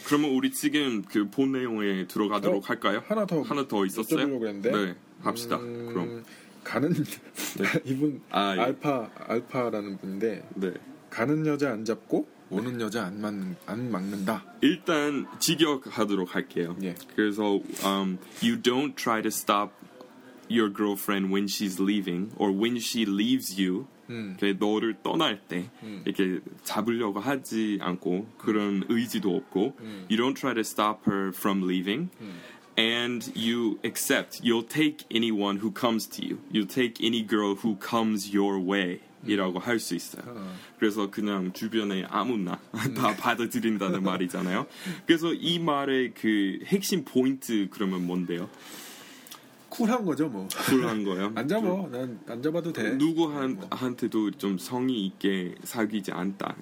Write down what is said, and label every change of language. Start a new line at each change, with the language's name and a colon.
Korean: 그러면 우리 지금 그 본 내용에 들어가도록 어? 할까요? 하나 더 있었어요? 그랬는데. 네, 합시다. 그럼. 가는 네. 이분 아, 예. 알파라는 분인데 네. 가는 여자 안 잡고 오는 네. 여자 안 막는다. 일단 직역하도록 할게요. 예. 그래서
English: you don't try to stop your girlfriend when she's leaving or when she leaves you.
Korean: 너를 떠날 때 이렇게 잡으려고 하지 않고 그런 의지도 없고
English: you don't try to stop her from leaving. And you accept, you'll take anyone who comes to you. You'll take any girl who comes your way.
Korean: 이라고 할 수 있어요. 그래서 그냥 주변에 아무나 다 받아들인다는 말이잖아요. 그래서 이 말의 그 핵심 포인트 그러면 뭔데요? 쿨한 거죠, 뭐. 쿨한 거요? 안 잡아. 난 안 잡아도 돼. 누구한테도 뭐. 좀 성의 있게 사귀지 않다.